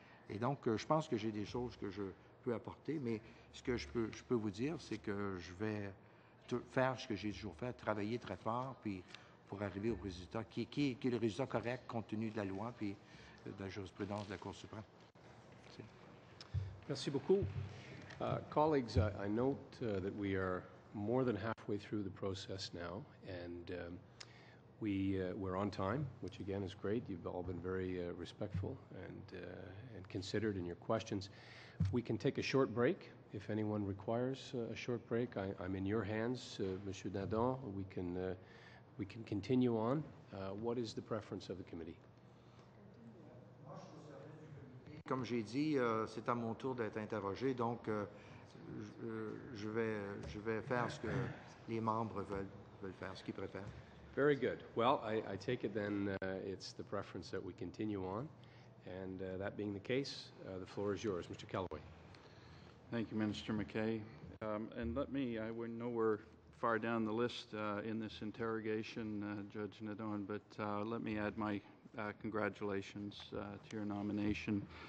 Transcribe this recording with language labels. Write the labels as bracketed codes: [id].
[fr] Et donc, je pense que j'ai des choses que je peux apporter, mais ce que je peux vous dire, c'est que je vais... faire ce que j'ai toujours fait, travailler très fort puis pour arriver au résultat qui est le résultat correct compte tenu de la loi puis de la jurisprudence de la Cour suprême. Merci beaucoup. [en] Colleagues, I note that we are more than halfway through the process now and we're on time, which again is great. You've all been very respectful and considered in your questions. We can take a short break. If anyone requires a short break, I'm in your hands, Monsieur Nadon. We can continue on. What is the preference of the committee? [fr] Comme j'ai dit, c'est à mon tour d'être interrogé, donc je vais faire ce que les membres veulent faire, ce qu'ils préfèrent. [en] Very good. Well, I take it then it's the preference that we continue on, and that being the case, the floor is yours, Mr. Calloway. Thank you, Minister McKay. We know we're far down the list in this interrogation, Judge Nadon, but let me add my congratulations to your nomination.